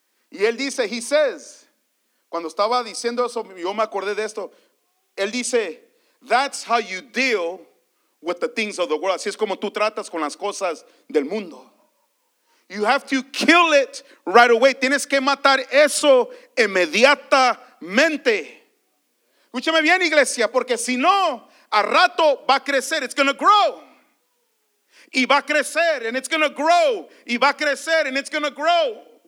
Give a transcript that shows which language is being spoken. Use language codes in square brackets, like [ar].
[es] Y él dice, he says, cuando estaba diciendo eso, yo me acordé de esto. [en] Él dice, that's how you deal with the things of the world. [es] Así es como tú tratas con las cosas del mundo. [en] You have to kill it right away. Tienes que matar eso inmediatamente. [es] Escúchame bien, iglesia, porque si no, a rato va a crecer. It's going to grow. Y va a crecer. And it's going to grow. Y va a crecer. And it's going to grow.